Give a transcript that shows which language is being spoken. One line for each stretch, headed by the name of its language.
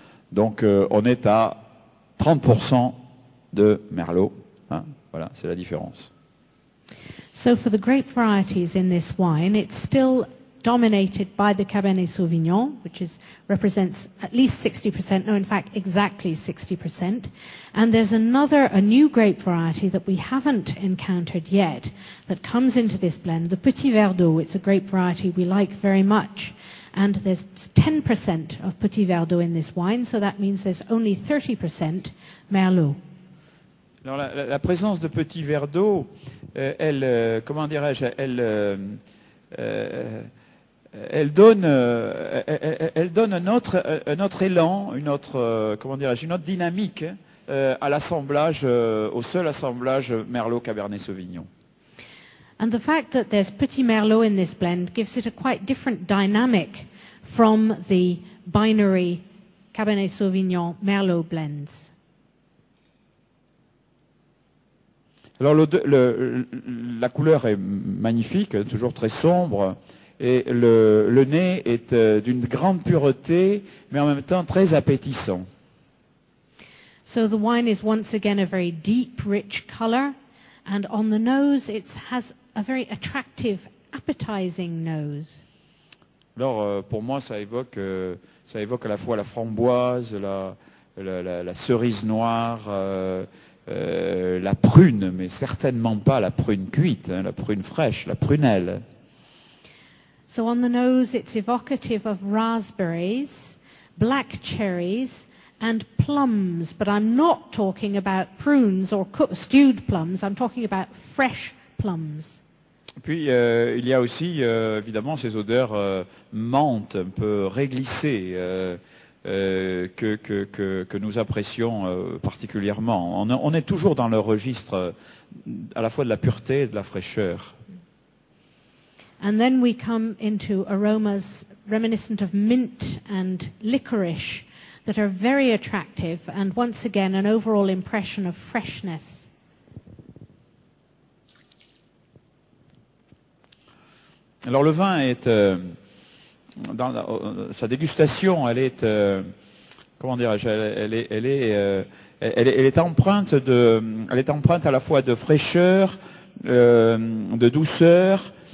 French: Donc on est à 30% de Merlot, hein, voilà, c'est la différence.
English: So for the grape varieties in this wine, it's still dominated by the Cabernet Sauvignon, which is represents at least 60%, no, in fact, exactly 60%. And there's another, a new grape variety that we haven't encountered yet that comes into this blend, the Petit Verdot. It's a grape variety we like very much. And there's 10% of Petit Verdot in this wine, so that means there's only 30% Merlot.
French: Alors la présence de Petit Verdot, elle donne un autre élan, une autre dynamique à l'assemblage, au seul assemblage Merlot Cabernet Sauvignon.
English: And the fact that there's Petit Merlot in this blend gives it a quite different dynamic from the binary Cabernet Sauvignon Merlot blends.
French: Alors la couleur est magnifique, toujours très sombre. Et le nez est d'une grande pureté, mais en même temps très appétissant.
English: So the wine is once again a very deep, rich color, and on the nose, it has a very attractive, appetizing nose.
French: Alors pour moi, ça évoque à la fois la framboise, la cerise noire, la prune, mais certainement pas la prune cuite, hein, la prune fraîche, la prunelle.
English: So on the nose, it's evocative of raspberries, black cherries, and plums. But I'm not talking about prunes or stewed plums. I'm talking about fresh plums.
French: Puis il y a aussi évidemment ces odeurs menthe, un peu réglissées, que nous apprécions particulièrement. On est toujours dans le registre à la fois de la pureté et de la fraîcheur.
English: And then we come into aromas reminiscent of mint and licorice that are very attractive, and once again an overall impression of freshness.
French: Alors le vin est dans sa dégustation, elle est empreinte à la fois de fraîcheur, de douceur,